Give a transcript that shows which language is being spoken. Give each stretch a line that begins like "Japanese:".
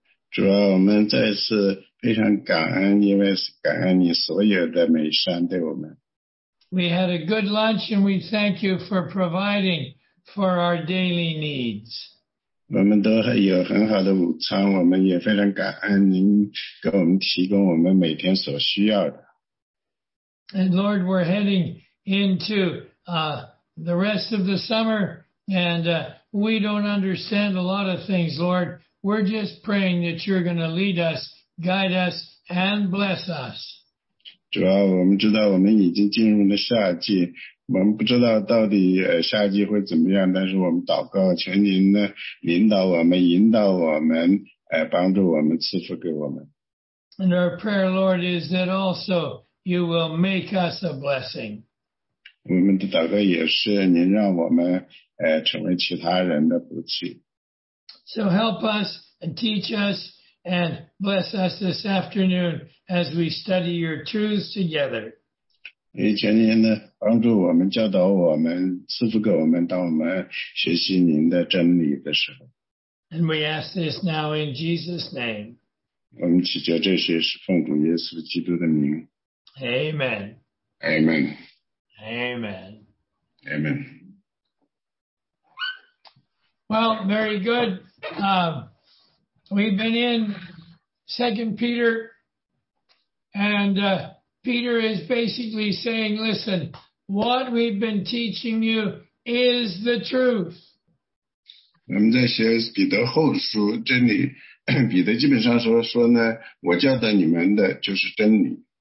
Chinese: 主啊，我们再次非常感恩，因为是感恩你所有的美善对我们。
English: We had a good lunch and we thank you for providing for our daily needs.
Chinese: 我们都有很好的午餐，我们也非常感恩您给我们提供我们每天所需要的。
English: And Lord, we're heading into the rest of the summer, and we don't understand a lot of things, Lord. We're just praying that you're going to lead us, guide us, and bless us.
Chinese: 主要我们知道我们已经进入了夏季，我们不知道到底夏季会怎么样，但是我们祷告，求您呢领导我们，引导我们，帮助我们，赐福给我们。
English: And our prayer, Lord, is that also you will make us a blessing.
Chinese: 我们的祷告也是您让我们成为其他人的福气。
English: So help us and teach us and bless us this afternoon as we study your truths together.
Chinese: 也求您呢帮助我们教导我们赐福给我们当我们学习您的真理的时候。
English: And we ask this now in Jesus' name.
Chinese: 我们祈求这些是奉主耶稣基督的名。
English: Amen. Amen. Amen. Amen. Well, very good. We've been in 2 Peter, and Peter is basically saying, listen, what we've been teaching you is the truth.
Chinese: 我们在学彼得后书，真理，彼得基本上说呢，我教导你们的就是真理。